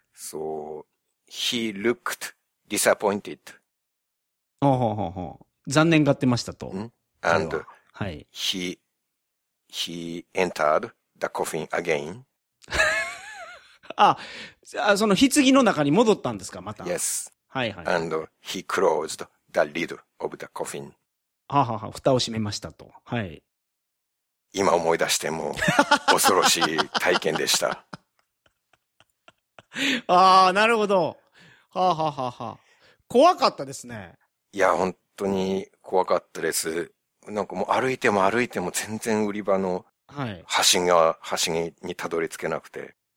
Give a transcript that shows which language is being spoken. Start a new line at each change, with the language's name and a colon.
English: so he looked disappointed.
Japanese: ほうほうほうほう。残念がってましたと。
English: And he entered the coffin again.
Japanese: あ、その棺の中に戻ったんですか、また。
English: Yes.
Japanese: はいはい。
English: And he closed the lid of the coffin.
Japanese: はあ、はあ、蓋を閉めましたと。はい。今思い出しても恐ろしい体験でした。ああ、なるほど。はあ、はあ、はあ。怖かったですね。いや、本当に怖かったです。なんかもう歩いても歩いても全然売り場の端にたどり着けなくて。